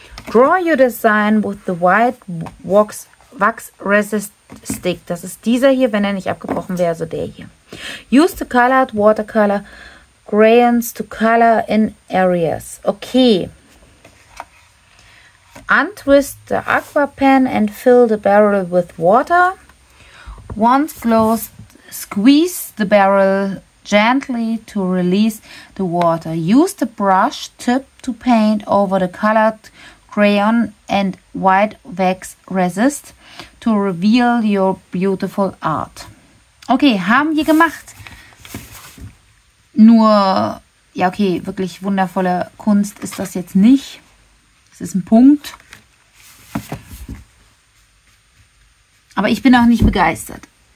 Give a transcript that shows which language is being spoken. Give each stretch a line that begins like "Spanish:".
English: Draw your design with the white wax resist stick.
German: Das ist dieser hier, wenn er nicht abgebrochen wäre, also der hier.
English: Use the colored watercolor crayons to color in areas. Okay. Untwist the aqua pen and fill the barrel with water. Once closed, squeeze the barrel gently to release the water. Use the brush tip to paint over the colored crayon and white wax resist to reveal your beautiful art.
German: Okay, haben wir gemacht. Nur, ja okay, wirklich wundervolle Kunst ist das jetzt nicht. Es ist ein Punkt. Aber ich bin auch nicht begeistert.